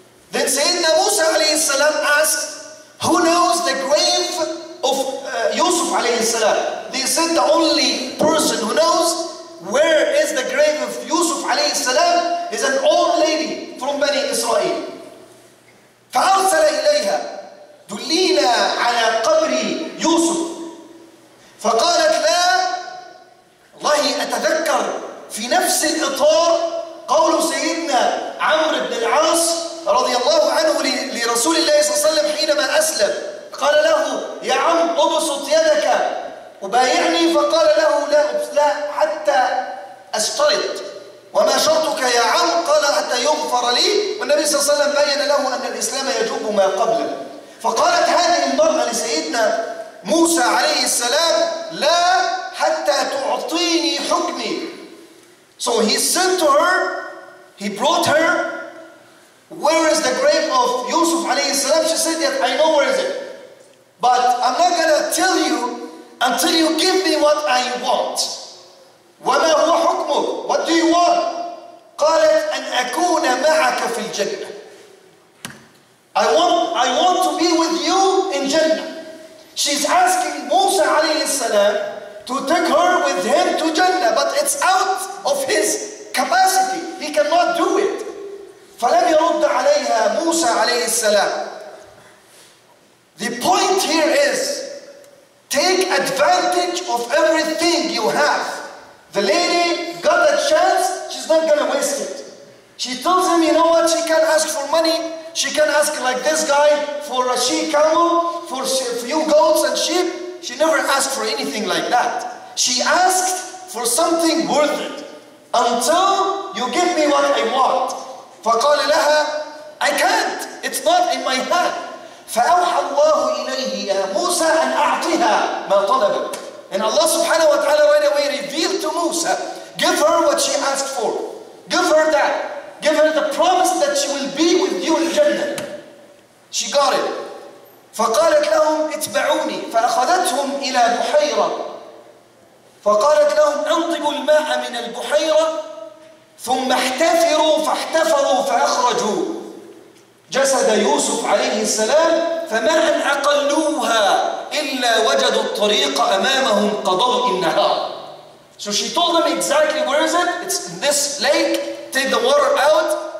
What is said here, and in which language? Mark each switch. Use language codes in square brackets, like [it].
[en] Then Sayyidina Musa alayhi salam asked, who knows the grave of Yusuf alayhi salam? They said the only person who knows where is the grave of Yusuf alayhi salam is an old lady from Bani Israel. [ar] فَأَرْسَلَ إِلَيْهَا دُلِّينَا عَلَى قَبْرِ يُوسُفْ فَقَالَتْ لَا والله أتذكر في نفس الإطار قول سيدنا عمرو بن العاص رضي الله عنه لرسول الله صلى الله عليه وسلم حينما أسلم، قال له يا عم ابسط يدك وبايعني، فقال له لا حتى أشترط، وما شرطك يا عم؟ قال حتى يغفر لي، والنبي صلى الله عليه وسلم بين له أن الإسلام يجوب ما قبله. فقالت هذه المرأة لسيدنا موسى عليه السلام، لا حتى تعطيني حكمي. [en] So he said to her, he brought her, where is the grave of Yusuf عليه السلام? She said that I know where is it, but I'm not gonna tell you until you give me what I want. [ar] وما هو حكمه? [en] What do you want? [ar] قالت أن أكون معك في الجنة. [en] I want to be with you in Jannah. She's asking Musa alayhi salam to take her with him to Jannah, but it's out of his capacity. He cannot do it. [ar] فلم يرد عليها موسى عليه السلام. [en] The point here is, take advantage of everything you have. The lady got a chance, she's not gonna waste it. She tells him, you know what, she can ask for money. She can ask like this guy for a she camel, for a few goats and sheep. She never asked for anything like that. She asked for something worth it. Until you give me what I want. [ar] فقال لها, [en] I can't, it's not in my hand. [ar] فأوحى الله إليه يا موسى أن أعطيها ما طلبت. [en] And Allah subhanahu wa ta'ala right away revealed to Musa, give her what she asked for. Give her that. Give her the promise that she will be with you in Jannah. She got it. [ar] فقالت لهم اتبعوني فأخذتهم إلى بحيرة. فقالت لهم انضبوا الماء من البحيرة ثم احتفروا فاحتفروا فأخرجوا جسد يوسف عليه السلام فما أن أقلوها إلا وجدوا الطريق أمامهم قضاء النهار. [en] So she told them exactly where is it. It's in this lake. Take the water out.